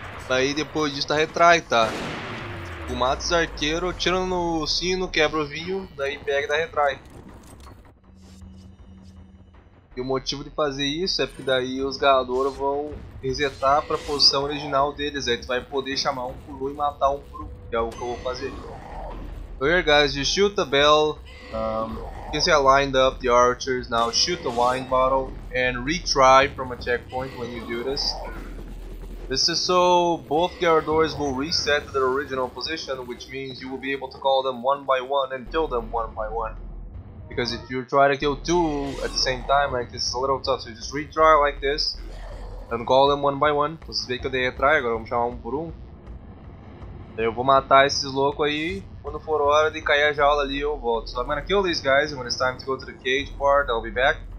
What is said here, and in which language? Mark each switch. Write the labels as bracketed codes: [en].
[pt] Aí depois disso tá retrai, tá? Tu mata os arqueiros, atira no sino, quebra o vinho, daí pega e dá retrai. E o motivo de fazer isso é porque daí os galadores vão resetar para a posição original deles. Aí tu vai poder chamar um por um e matar um por um, que é o que eu vou fazer. [en] So here guys, you shoot the bell. You can see I lined up the archers. Now shoot the wine bottle and retry from a checkpoint when you do this. This is so both galadores will reset to their original position, which means you will be able to call them one by one and kill them one by one. Because if you try to kill two at the same time, like this is a little tough, so you just retry like this and call them one by one. [pt] Vocês veem que eu dei retry, agora vamos chamar um por um. Eu vou matar esses loucos aí, quando for hora de cair a jaula ali eu volto. [en] So I'm gonna kill these guys, and when it's time to go to the cage part, I'll be back.